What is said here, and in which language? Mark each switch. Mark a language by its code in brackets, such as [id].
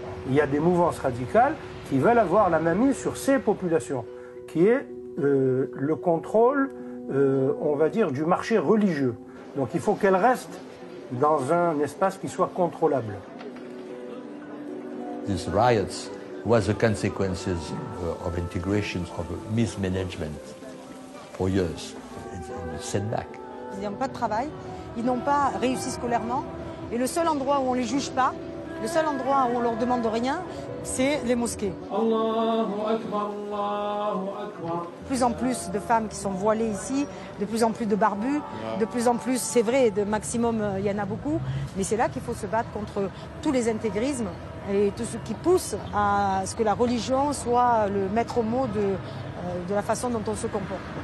[fr] Il y a des mouvances radicales qui veulent avoir la mainmise sur ces populations, qui est le contrôle, on va dire, du marché religieux. Donc il faut qu'elle reste dans un espace qui soit contrôlable. [en] These riots were the consequences of integrations of mismanagement for years. Setback. [fr] Ils n'ont pas de travail, ils n'ont pas réussi scolairement, et le seul endroit où on les juge pas, le seul endroit où on leur demande de rien, c'est les mosquées. [ar] Allahu Akbar, Allahu Akbar. [fr] De plus en plus de femmes qui sont voilées ici, de plus en plus de barbus, de plus en plus, c'est vrai, de maximum, il y en a beaucoup, mais c'est là qu'il faut se battre contre tous les intégrismes et tout ce qui pousse à ce que la religion soit le maître mot de la façon dont on se comporte.